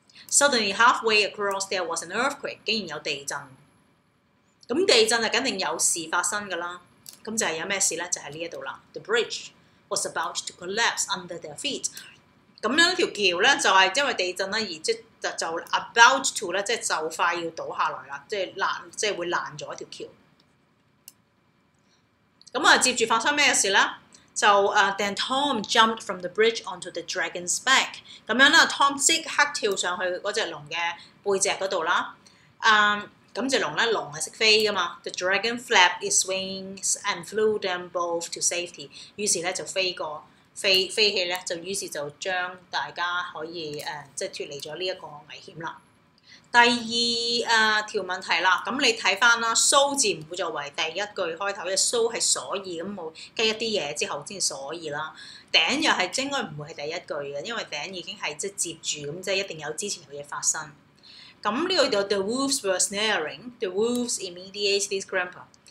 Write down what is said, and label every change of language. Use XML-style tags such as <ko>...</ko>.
<en>Suddenly halfway across there was an earthquake，</en> <yue>竟然有地震。咁地震就肯定有事發生噶啦。咁就係有咩事咧？就係呢一度啦。</yue> <en>The bridge was about to collapse under their feet。</en> <yue>咁樣條橋咧就係因為地震啦而即。就 about to 咧，即係就快要倒下來啦，即係爛，即係會爛咗一條橋。咁啊，接住發生咩事咧？</yue> <en>就then Tom jumped from the bridge onto the dragon's back。</en> <yue>咁樣啦 ，Tom 即刻跳上去嗰只龍嘅背脊嗰度啦。咁只龍咧，龍係識飛噶嘛</yue> <en>？The dragon flapped its wings and flew them both to safety。</en> <yue>於是咧就飛過。飛起咧，就於是就將大家可以即係脱離咗呢一個危險啦。第二條問題啦，咁你睇翻啦 ，so 字唔會作為第一句開頭，因為 so 係所以咁冇跟一啲嘢之後先所以啦。頂又係應該唔會係第一句嘅，因為頂已經係即係接住咁，即係一定有之前有嘢發生。咁呢度就</yue> <en>the wolves were snaring， the wolves immediately scrambled。</en>